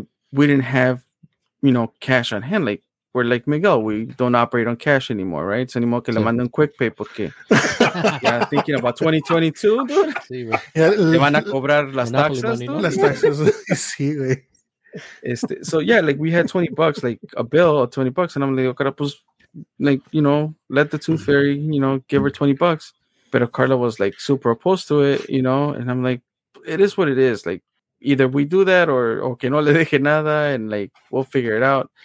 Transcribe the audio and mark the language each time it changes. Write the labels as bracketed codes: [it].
[es] Y [en] we didn't have, you know, cash on hand. Like, we're like Miguel, we don't operate on cash anymore, right? It's anymore [es] que le manden [en] quick pay [es] porque [en] yeah, thinking about 2022, dude. [es] Sí, le van a cobrar las taxas, money, ¿no? Las taxas. Sí, güey. [en] So yeah, like we had $20, like a bill of $20, and I'm like, okay, [es] pues, [en] like, you know, let the tooth fairy, you know, give her $20. [es] Pero [en] Carla was like super opposed to it, you know, and I'm like, it is what it is. Like, either we do that or [es] que no le deje nada, [en] and like we'll figure it out.